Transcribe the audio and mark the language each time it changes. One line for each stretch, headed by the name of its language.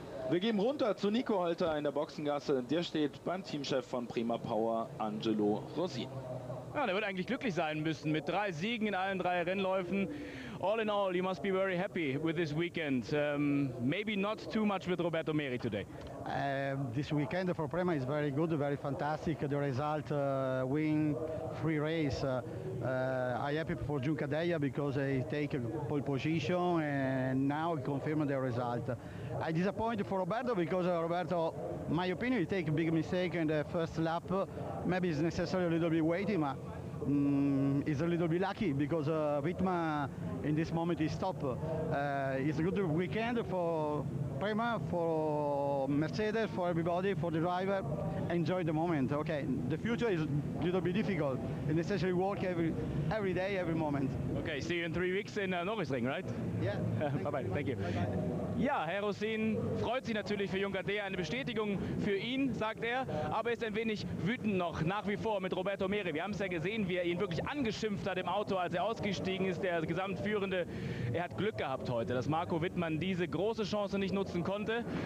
German: Wir gehen runter zu Nico Holter in der Boxengasse. Der steht beim Teamchef von Prima Power, Angelo Rosin. Ja, der wird eigentlich glücklich sein müssen mit drei Siegen in allen drei Rennläufen.
English: All in all, you must be very happy with this weekend. Maybe not too much with Roberto Meri today. This weekend for Prima is very good, very fantastic. The result, win three races. I'm happy for Junkadea because he take a pole position and now he confirmed the result. I disappointed for Roberto because Roberto, my opinion, he take a big mistake in the first lap. Maybe it's necessary a little bit waiting, but he's a little bit lucky because Wittmann in this moment is top. It's a good weekend for Prima, for Mercedes, for everybody, for the driver. Enjoy the moment, okay? The future is a little bit difficult. It's necessary work every day, every moment. Okay, see you in 3 weeks in Nürburgring, right? Yeah. Bye-bye, thank you.
German: Ja, Herr Rosin freut sich natürlich für Junkadea, eine Bestätigung für ihn, sagt er, aber ist ein wenig wütend noch nach wie vor mit Roberto Meri. Wir haben es ja gesehen, wie er ihn wirklich angeschimpft hat im Auto, als er ausgestiegen ist, der Gesamtführende. Er hat Glück gehabt heute, dass Marco Wittmann diese große Chance nicht nutzen konnte.